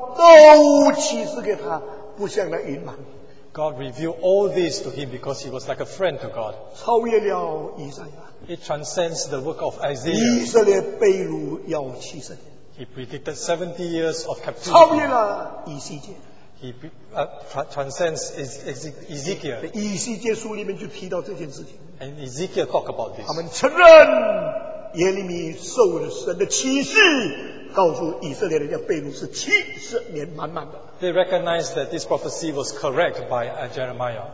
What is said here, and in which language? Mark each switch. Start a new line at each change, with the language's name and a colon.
Chinese: 耶和华把他当作最好的朋友，就把这些话都启示给他，不向他隐瞒。
English: God revealed all this to him because he was like a friend to God.
Chinese: 超越了以赛亚。
English: It transcends the work of Isaiah.
Chinese: 以色列被掳要七十年。
English: He predicted 70 years of captivity.
Chinese: 超越了以西结。
English: He transcends Ezekiel.
Chinese: 以西结书里面就提到这件事情。
English: And Ezekiel talked about this.
Chinese: 他们承认。耶利米受了神的启示，告诉以色列人要被掳是七十年满满的。
English: They recognized that this prophecy was correct by Jeremiah.